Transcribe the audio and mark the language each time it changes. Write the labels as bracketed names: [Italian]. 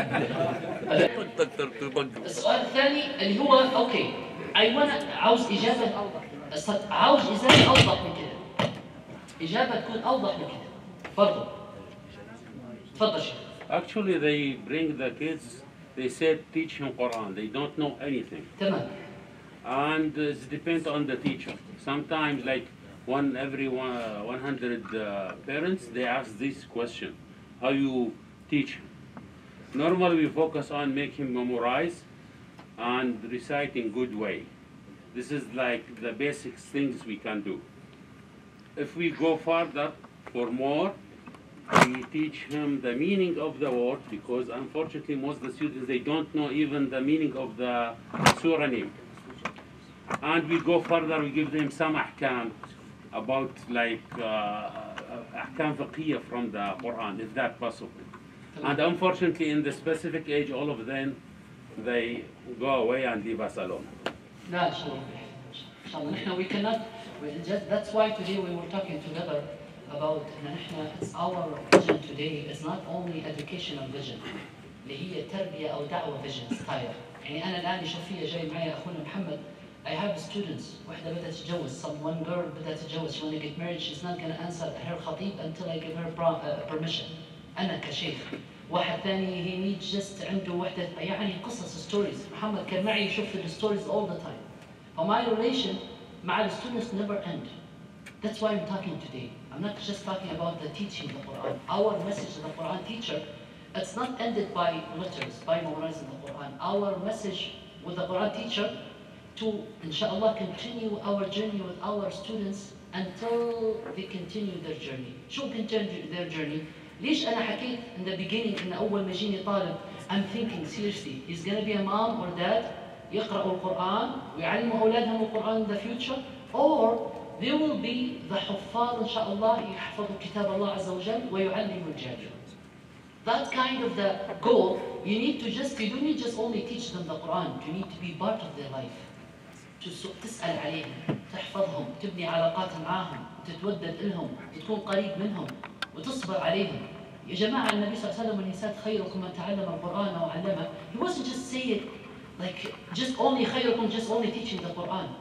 [Arabic] السؤال الثاني اللي هو اوكي اي وانا عاوز اجابه اوضح عاوز اجابه اوضح من كده اجابه تكون اوضح من كده برضو تفضل شيخ [English] actually they bring the kids they said teach him Quran they don't know anything [Arabic] تمام [English] and it depends on the teacher sometimes like every 100 parents they ask this question How you teach him. Normally we focus on make him memorize and recite in good way. This is like the basic things we can do. If we go further for more, we teach him the meaning of the word because unfortunately most of the students, they don't know even the meaning of the surah name. And we go further, we give them some ahkam about like [Arabic] أحكام فقهية [English] from the Quran, if that possible. And unfortunately, in the specific age, all of them, they go away and leave us alone. No, inshallah. We cannot. That's why today we were talking together about it's our vision today. It's not only educational vision. [Arabic] اللي هي تربية أو دعوة [English] vision style. [Arabic] يعني أنا الآن يشوف فيها جاي معي أخونا محمد. [English] I have students. [Arabic] واحدة بدأت تتجوز. [English] Some one girl [Arabic] بدأت تتجوز. [English] She wanna get married. She's not gonna answer her خطيب until I give her permission. [Arabic] أنا كشيخ. واحد ثاني [English] he needs just [Arabic] عنده واحدة. يعني قصص [English] stories. [Arabic] محمد كان معي يشوف [English] the stories all the time. But my relation [Arabic] مع [English] the students never end. That's why I'm talking today. I'm not just talking about the teaching of the Quran. Our message to the Quran teacher, it's not ended by letters, by memorizing the Quran. Our message with the Quran teacher. to inshallah continue our journey with our students until they continue their journey. [Arabic] شو [English] continue their journey؟ [Arabic] ليش أنا حكيت [English] in the beginning [Arabic] إن أول ما جيني طالب [English] I'm thinking seriously he's gonna be a mom or dad [Arabic] يقرأوا القرآن ويعلموا أولادهم القرآن [English] in the future or they will be the [Arabic] حفاظ إن شاء الله يحفظوا كتاب الله عز وجل ويعلموا الجاهل. [English] That kind of the goal you need to just you don't need just only teach them the Quran you need to be part of their life. [Arabic] تسأل عليهم تحفظهم تبني علاقات معهم تتودد لهم تكون قريب منهم وتصبر عليهم. يا جماعة النبي صلى الله عليه وسلم من يسات خيركم من تعلم القرآن أو علمه. [English] He wasn't just saying like just only [Arabic] خيركم [English] just only teaching the Quran.